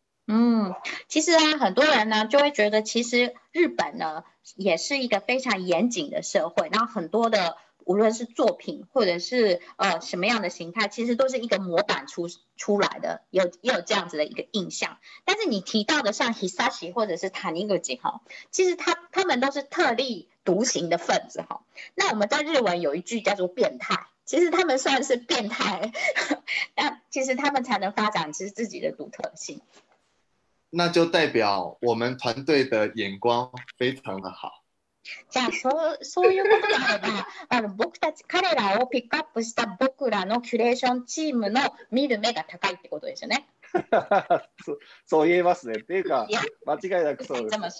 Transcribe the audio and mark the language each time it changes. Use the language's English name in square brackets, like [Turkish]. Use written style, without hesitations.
[Chinese] 嗯，其实啊，很多人呢就会觉得，其实日本呢。也是一个非常严谨的社会，然后很多的无论是作品或者是什么样的形态，其实都是一个模板出来的，也有这样子的一个印象。但是你提到的像 Hisashi 或者是 Taniguchi 哈，其实他们都是特立独行的分子哈。那我们在日文有一句叫做变态，其实他们算是变态，那其实他们才能发展是自己的独特性。那就代表我们团队的眼光非常的好。 [Japanese] じゃあそういうことであれば、あの僕たち彼らをピックアップした僕らのキュレーションチームの見る目が高いってことですよね。そう言えますね。っていうか間違いなくそうです。